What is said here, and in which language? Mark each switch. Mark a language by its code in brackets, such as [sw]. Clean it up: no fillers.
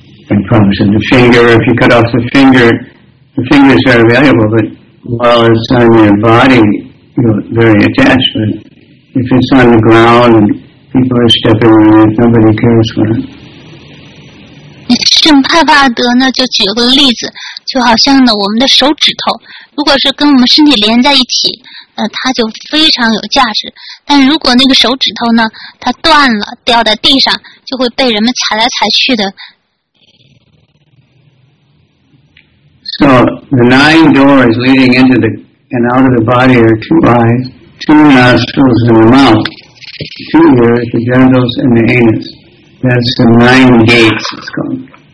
[en] And promising the finger, if you cut off the finger is very valuable, but while it's on your body, you're very attached. But if it's on the ground and people are stepping on it, nobody cares for it. [zh] 圣帕帕德呢，就举个例子，就好像呢，我们的手指头，如果是跟我们身体连在一起，它就非常有价值。但如果那个手指头呢，它断了，掉在地上，就会被人们踩来踩去的。 [en] So the nine doors leading into the and out of the body are two eyes, two nostrils and a mouth, two ears, the genitals and the anus. That's the nine gates it's called.